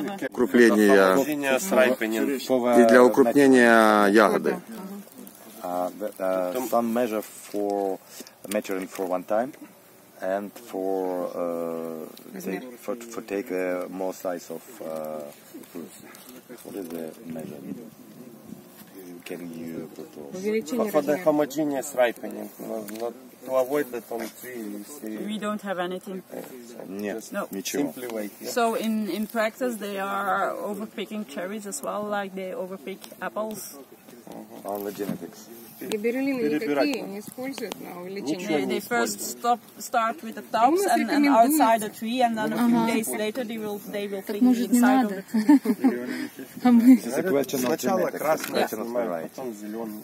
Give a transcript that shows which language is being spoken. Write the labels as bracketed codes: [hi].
[ru] Укрупление и для укрупнения ягоды. [en] Some measure for maturing for one time and for for take the more size of fruits. What is the measure? Can you put for the homogeneous ripening? To avoid the tom tree. We don't have anything. No. Simply wait. Yeah. So in practice they are overpicking cherries as well, like they overpick apples. Uh-huh. On the genetics. [ru] Гибериллин никакие не используют на увеличение. [en] They first start with the tops and outside the tree, and then a few days later they will clean the inside of the tree. [ru] Это сначала красный, потом зеленый.